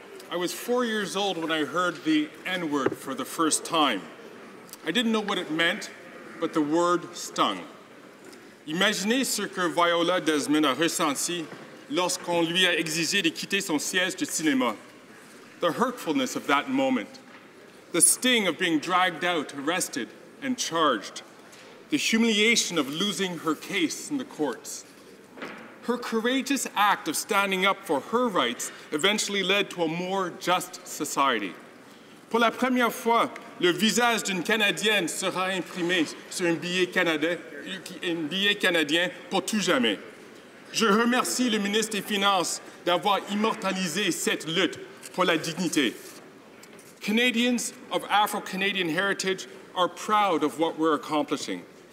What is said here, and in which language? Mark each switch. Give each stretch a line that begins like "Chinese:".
English: I was 4 years old when I heard the N-word for the first time. I didn't know what it meant, but the word stung.
French: Imaginez ce que Viola Desmond a ressenti lorsqu'on lui a exigé de quitter son siège de cinéma.
English: The hurtfulness of that moment. The sting of being dragged out, arrested, and charged. The humiliation of losing her case in the courts. Her courageous act of standing up for her rights eventually led to a more just society.
French: Pour la première fois, le visage d'une Canadienne sera imprimé sur un billet canadien pour tout jamais. Je remercie le ministre des Finances d'avoir immortalisé cette lutte pour la dignité.
English: Canadians of Afro-Canadian heritage are proud of what we're accomplishing.